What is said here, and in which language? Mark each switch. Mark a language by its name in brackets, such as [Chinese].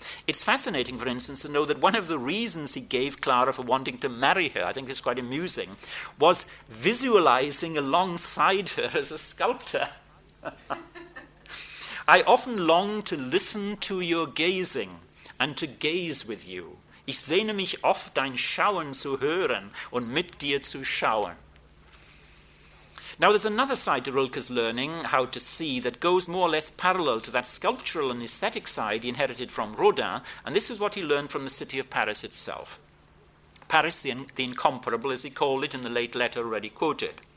[English] It's fascinating, for instance, to know that one of the reasons he gave Clara for wanting to marry her, I think it's quite amusing, was visualizing alongside her as a sculptor. I often long to listen to your gazing and to gaze with you. [German] Ich sehne mich oft, dein Schauen zu hören und mit dir zu schauen. [English] Now, there's another side to Rilke's learning, how to see, that goes more or less parallel to that sculptural and aesthetic side he inherited from Rodin, and this is what he learned from the city of Paris itself. Paris, the incomparable, as he called it in the late letter already quoted.